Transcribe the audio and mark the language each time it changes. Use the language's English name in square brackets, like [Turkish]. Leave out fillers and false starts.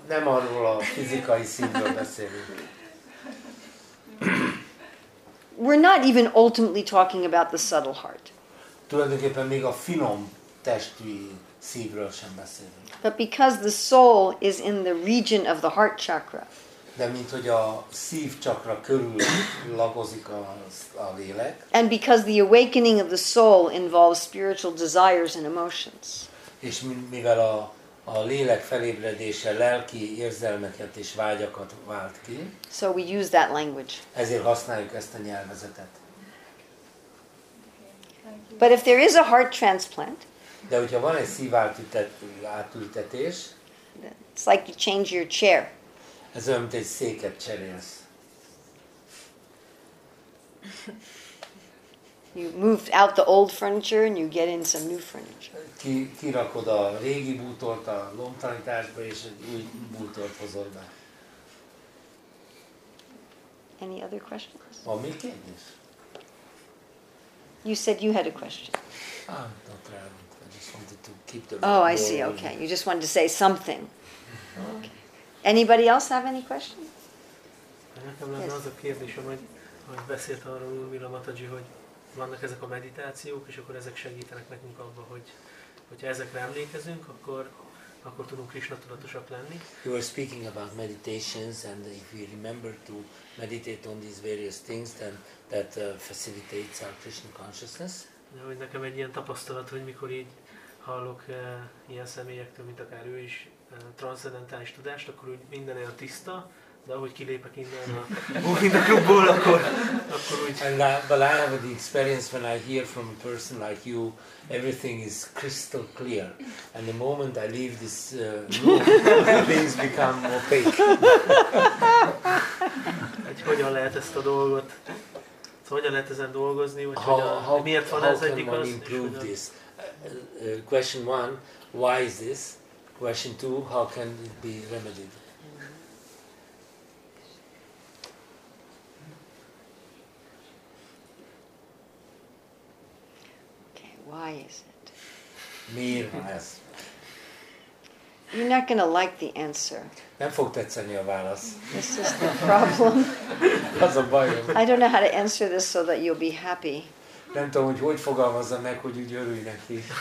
[Hungarian] Nem arról a fizikai szívről beszélünk. [English] We're not even ultimately talking about the subtle heart. [Hungarian] Tulajdonképpen még a finom testi szívről sem beszélünk. [English] But because the soul is in the region of the heart chakra. [Hungarian] De mint hogy a szív csakra körül lakozik a lélek. [English] And because the awakening of the soul involves spiritual desires and emotions. [Hungarian] És mivel a lélek felébredése lelki érzelmeket és vágyakat vált ki. [English] So we use that language. [Hungarian] Ezért használjuk ezt a nyelvezetet. [English] But if there is a heart transplant. [Hungarian] De hogyha van egy szívátültetés. [English] It's like you change your chair. [Hungarian] Ez olyan, mint egy széket cserélsz. [English] You move out the old furniture and you get in some new furniture. [Hungarian] Kirakod a régi bútort a lomtalanításba, és egy új bútort hozol be. [English] Any other questions? [Hungarian] Van még kérdés? [English] You said you had a question. Not really. I just wanted to keep the... Oh, I see. Okay. You just wanted to say something. Okay. Anybody else have any questions? [Hungarian] Nekem lenne az a kérdésem, hogy beszélt arról Urmila Mataji, hogy vannak ezek a meditációk, és akkor ezek segítenek nekünk abban, hogyha ezekre emlékezünk, akkor tudunk Krisna tudatosak lenni. [English] You were speaking about meditations, and if we remember to meditate on these various things, then that facilitates our Krishna consciousness. [Hungarian] De hogy nekem egy ilyen tapasztalat, hogy mikor így hallok ilyen személyektől, mint akár ő is, transzcendentális tudást, akkor úgy minden olyan tiszta, de ahogy kilépek innen a klubból, akkor úgy. [English] And that, but I have the experience when I hear from a person like you, everything is crystal clear. And the moment I leave this room, things become opaque. [Hungarian] Hogy hogyan lehet ezt a dolgot? Hogyan lehet ezen dolgozni, hogy miért van ez egyik az? [English] Question one, why is this? Question two, how can it be remedied? Okay, why is it? [Hungarian] Miért ez? [English] You're not going to like the answer. [Hungarian] Nem fog tetszeni a válasz. [English] This is the problem. [Hungarian] Az a baj. [English] I don't know how to answer this so that you'll be happy. [Hungarian] Nem tudom, hogy hogy fogalmazzam meg, hogy úgy örülj neki.